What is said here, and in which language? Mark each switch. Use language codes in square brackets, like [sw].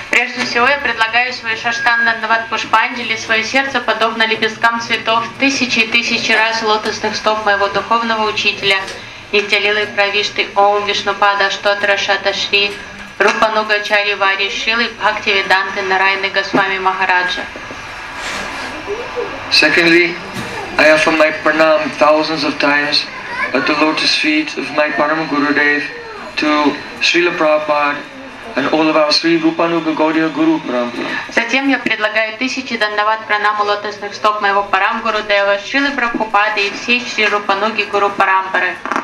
[ru] Прежде всего я предлагаю свои шаштанды отдавать Пушпанджали, свое сердце, подобно лепесткам цветов, тысячи и тысячи раз лотосных стоп моего духовного учителя, Нитялилы Правишты, Ом Вишнупада, Штотра Шаташри, Рупануга Чари Вари, Шилы Бхакти Веданты, Нарайны Госвами Махараджа. [en] Secondly, I offer my pranam thousands of times at the lotus feet of my Param Gurudev to Srila Prabhupada, and all of our Sri Rupanuga Gaudiya Guru Parampara. [ru] Затем я предлагаю тысячи дандават пранаму лотосных стоп моего Парам Гурудева, Шрилы Прабхупады и всей Шри Рупануги Гуру Парампары.